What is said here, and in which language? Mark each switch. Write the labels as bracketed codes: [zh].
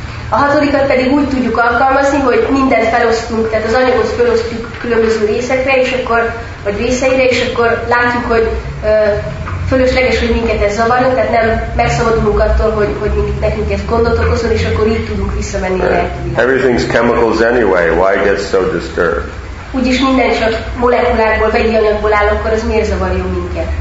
[hu] A hatodikat pedig úgy tudjuk alkalmazni, hogy mindent felosztunk, tehát az anyagot felosztjuk különböző részekre, és akkor vagy részeire, és akkor látjuk, hogy fölösleges, hogy minket ez zavarja, tehát nem megszabadulunk attól, hogy nekünk ez gondot okozol, és akkor így tudunk visszamenni a lelkünkbe. [en] Everything's chemicals anyway, why get so disturbed? [hu] Úgyis minden csak molekulákból, vegyi anyagból áll, akkor az miért zavarja minket?